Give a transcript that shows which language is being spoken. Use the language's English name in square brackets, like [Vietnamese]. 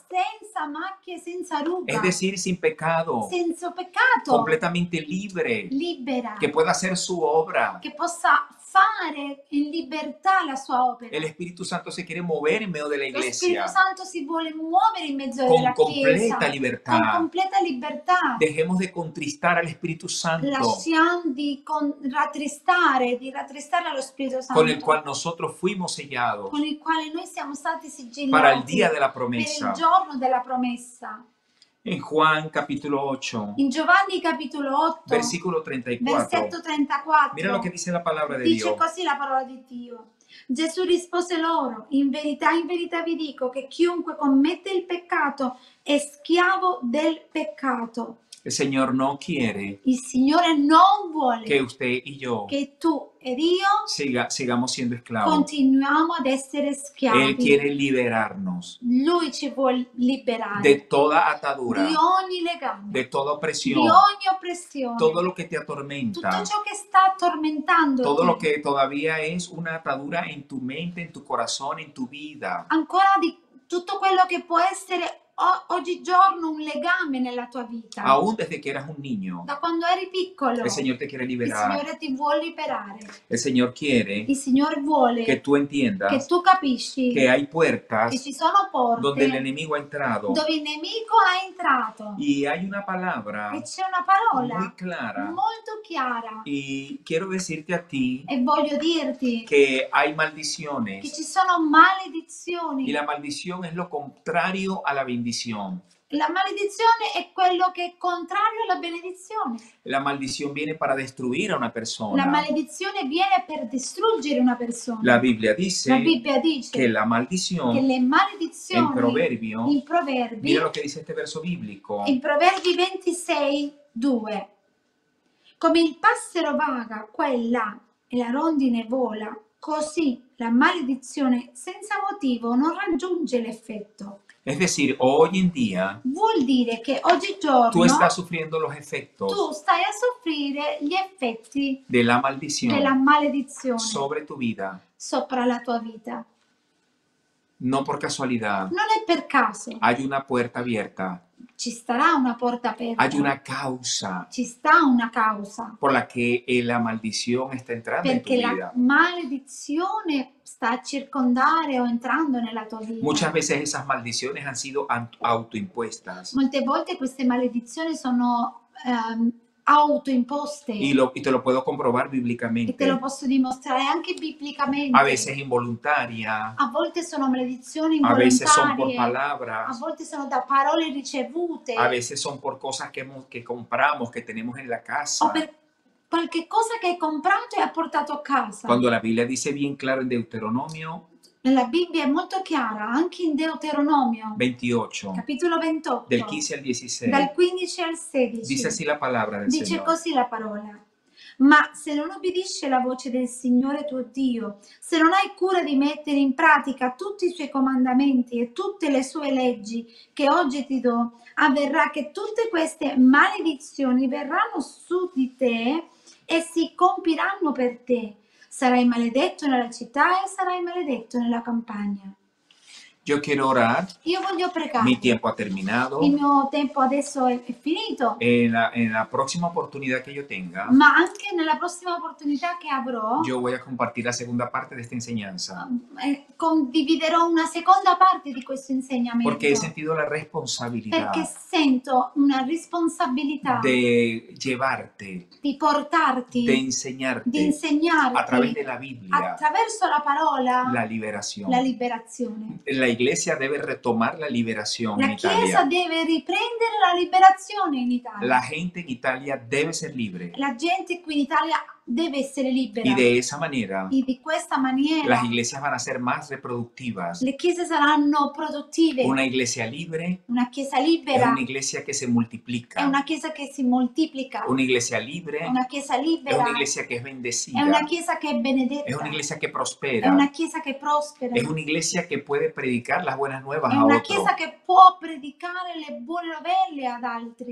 [Italian] Senza macchie, senza ruga. [Spanish] Es decir, sin pecado. [Italian] Senza peccato. [Spanish] Completamente libre. [Italian] Libera. [Spanish] Che pueda hacer su obra. [Italian] Che possa fare in libertà la sua opera. [Spanish] El Espíritu Santo se quiere mover en medio de la iglesia. [Italian] Lo Spirito Santo si vuole muovere in mezzo alla chiesa. Con completa libertà. Con completa libertà. [Spanish] Dejemos de contristar al Espíritu Santo. [Italian] Lasciamo di rattristare allo Spirito Santo. [Spanish] Con el cual nosotros fuimos sellados. [Italian] Con il quale noi siamo stati sigillati. [Spanish] Para el día de la promesa. [Italian] Per il giorno della promessa. [Spanish] En Juan capítulo 8. [Italian] In Giovanni capítulo 8. [Spanish] Versículo 34. [Italian] Versetto 34. [Spanish] Mira lo que dice la palabra de dice Dios. [Italian] Dice così la parola di Dio. Gesù rispose loro: in verità vi dico che chiunque commette il peccato è schiavo del peccato. [Spanish] El Señor no quiere. [Italian] Il Signore non vuole. [Spanish] Que usted y yo. [Italian] Que tú e io. [Spanish] Sigamos siendo esclavos. [Italian] Continuamo ad essere schiavi. [Spanish] Él quiere liberarnos. [Italian] Lui ci vuole liberare. [Spanish] De toda atadura. [Italian] Di ogni legame. [Spanish] De toda opresión. [Italian] Di ogni oppressione. [Spanish] Todo lo que te atormenta. [Italian] Tutto ciò che sta attormentando. [Spanish] Todo lo que todavía es una atadura en tu mente, en tu corazón, en tu vida. [Italian] Ancora di tutto quello che può essere oggigiorno un legame nella tua vita. [Spanish] Aún desde que eras un niño. [Italian] Da quando eri piccolo. [Spanish] El Señor te quiere liberar. [Italian] Il Signore ti vuole liberare. [Spanish] El Señor quiere. [Italian] Il Signore vuole. [Spanish] Que tú entiendas. [Italian] Che tu capisci. [Spanish] Que hay puertas. [Italian] Che ci sono porte. [Spanish] Donde el enemigo ha entrado. [Italian] Dove il nemico ha entrato. [Spanish] Y hay una palabra. [Italian] E c'è una parola. [Spanish] Muy clara. [Italian] Molto chiara. [Spanish] Y quiero decirte a ti. [Italian] E voglio dirti. [Spanish] Que hay maldiciones. [Italian] Che ci sono maledizioni. [Spanish] Y la maldición es lo contrario a la bendición. [Italian] La maledizione è quello che è contrario alla benedizione. [Spanish] La maldición viene para destruir a una persona. [Italian] La maledizione viene per distruggere una persona. La Bibbia dice che [Spanish] la maldición, [Italian] che le maledizioni, in proverbi, [Spanish] mira lo che dice este verso biblico. [Italian] In Proverbi 26, 2. Come il passero vaga qua e là e la rondine vola, così la maledizione senza motivo non raggiunge l'effetto. [Spanish] Es decir, hoy en día, [Italian] vuol dire che oggigiorno [Spanish] tú estás sufriendo los efectos, [Italian] tú stai a soffrire gli effetti [Spanish] de la maldición, [Italian] della maledizione [Spanish] sobre tu vida, [Italian] sopra la tua vita. [Spanish] No por casualidad, [Italian] non è per caso. [Spanish] Hay una puerta abierta. [Italian] Ci starà una porta aperta. [Spanish] Hay una causa. [Italian] Ci sta una causa. [Spanish] Por la que la maldición está entrando en tu vida. [Italian] Perché la maledizione sta a circondare o entrando nella tua vita. [Spanish] Muchas veces esas maldiciones han sido autoimpuestas. [Italian] Molte volte queste maledizioni sono autoimposte. [Spanish] Y te lo puedo comprobar bíblicamente. [Italian] E te lo posso dimostrare anche biblicamente. [Spanish] A veces involuntaria. [Italian] A volte sono maledizioni involontarie. [Spanish] A veces son por palabras. [Italian] A volte sono da parole ricevute. [Spanish] A veces son por cosas que compramos, que tenemos en la casa. [Italian] O per qualche cosa che hai comprato e hai portato a casa. [Spanish] Cuando la Biblia dice bien claro en Deuteronomio. [Italian] Nella Bibbia è molto chiara, anche in Deuteronomio 28, capitolo 28, [Spanish] del 15 al 16, [Italian] dal 15 al 16, [Spanish] dice, así la palabra del dice Señor. [Italian] Così la parola. Ma se non obbedisci la voce del Signore tuo Dio, se non hai cura di mettere in pratica tutti i suoi comandamenti e tutte le sue leggi che oggi ti do, avverrà che tutte queste maledizioni verranno su di te e si compiranno per te. Sarai maledetto nella città e sarai maledetto nella campagna. [Spanish] Yo quiero orar. [Italian] Io voglio pregare. [Spanish] Mi tiempo ha terminado. [Italian] Il mio tempo adesso è finito. [Spanish] En la próxima oportunidad que yo tenga. [Italian] Ma anche nella prossima opportunità che avrò. [Spanish] Yo voy a compartir la segunda parte de esta enseñanza. [Italian] Condividerò una seconda parte di questo insegnamento. [Spanish] Porque he sentido la responsabilidad. [Italian] Perché sento una responsabilità. [Spanish] De llevarte. [Italian] Di portarti. [Spanish] De enseñarte. [Italian] Di insegnarti. [Spanish] A través de la Biblia. [Italian] Attraverso la parola. [Spanish] La liberación. [Italian] La liberazione. [Spanish] La iglesia debe retomar la liberación la en Italia. [Italian] La chiesa debe riprendere la liberazione in Italia. [Spanish] La gente en Italia debe ser libre. [Italian] La gente qui in Italia deve essere libera. [Spanish] Y de esa manera. [Italian] Y di questa maniera. [Spanish] Las iglesias van a ser más reproductivas. [Italian] Le chiese saranno produttive. [Spanish] Una iglesia libre. [Italian] Una chiesa libera. [Spanish] Una iglesia que se multiplica. [Italian] È una chiesa che si moltiplica. [Spanish] Una iglesia libre. [Italian] Una chiesa libera. [Spanish] Es una iglesia que es bendecida. [Italian] È una chiesa che è benedetta. [Spanish] Es una iglesia que prospera. [Italian] È una chiesa che prospera. [Spanish] Es una iglesia que puede predicar las buenas nuevas a otros. [Italian] È una chiesa che può predicare le buone novelle ad altri.